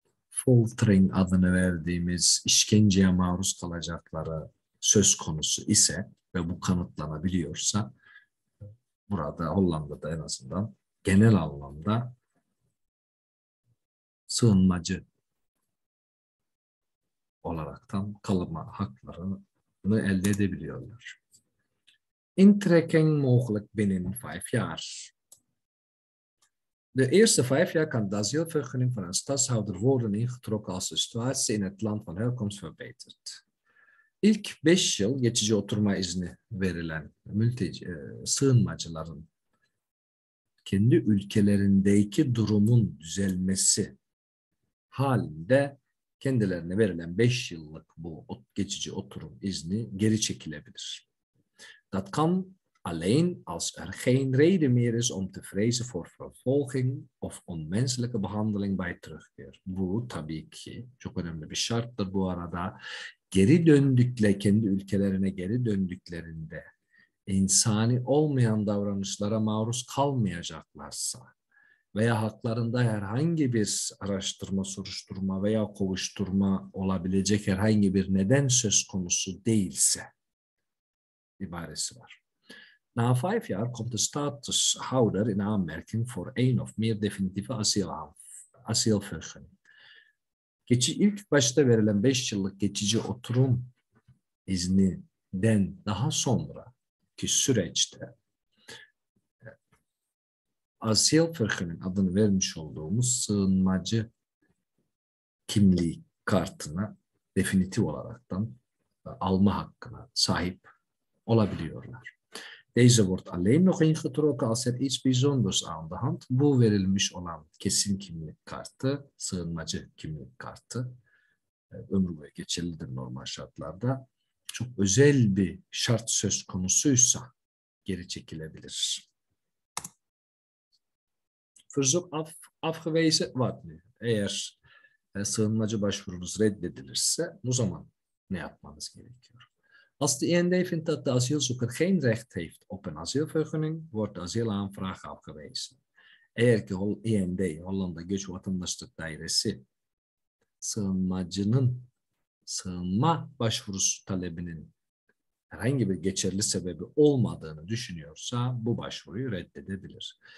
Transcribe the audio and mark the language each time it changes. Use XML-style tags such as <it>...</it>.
<tr>foltering adını verdiğimiz işkenceye maruz kalacakları söz konusu ise ve bu kanıtlanabiliyorsa burada Hollanda'da en azından genel anlamda sığınmacı olaraktan kalma haklarını elde edebiliyorlar.</tr> <nl>Intrekking mogelijk binnen 5 jaar. De eerste 5 jaar kan de asielvergunning van een stadshouder worden ingetrokken als de situatie in het land van herkomst verbetert.</nl> <tr>İlk 5 yıl geçici oturma izni verilen sığınmacıların kendi ülkelerindeki durumun düzelmesi halinde kendilerine verilen 5 yıllık bu geçici oturum izni geri çekilebilir.</tr> <nl>Dat kan alleen als er geen reden meer is om te vrezen voor vervolging of onmenselijke behandeling bij terugkeer.</nl> <tr>Bu tabii ki çok önemli bir şarttır bu arada. Geri döndükleri, kendi ülkelerine geri döndüklerinde insani olmayan davranışlara maruz kalmayacaklarsa veya haklarında herhangi bir araştırma, soruşturma veya kovuşturma olabilecek herhangi bir neden söz konusu değilse ibaresi var.</tr> <nl>Na 5 jaar komt de statushouder in aanmerking voor één of meer definitieve asielvergunning.</nl> <tr>İlk başta verilen 5 yıllık geçici oturum izninden daha sonraki süreçte asielvergunning adını vermiş olduğumuz sığınmacı kimliği kartına definitif olaraktan alma hakkına sahip olabiliyorlar.</tr> <nl>Deze wordt alleen nog ingetrokken als er iets bijzonders aan de hand.</nl> <tr>Bu verilmiş olan kesin kimlik kartı, sığınmacı kimlik kartı, ömür boyu geçerlidir normal şartlarda. Çok özel bir şart söz konusuysa geri çekilebilir.</tr> <nl>Verzoek afgewezen, wat nu?</nl> <tr>Eğer sığınmacı başvurunuz reddedilirse, o zaman ne yapmanız gerekiyor?</tr> <nl>Als de IND vindt dat de asielzoeker geen recht heeft op een asielvergunning, wordt de asielaanvraag afgewezen.</nl> <tr>Eğer ki IND, Hollanda Göç Vatandaşlık Dairesi, sığınmacının sığınma başvurusu talebinin herhangi bir geçerli sebebi olmadığını düşünüyorsa bu başvuruyu reddedebilir.</tr>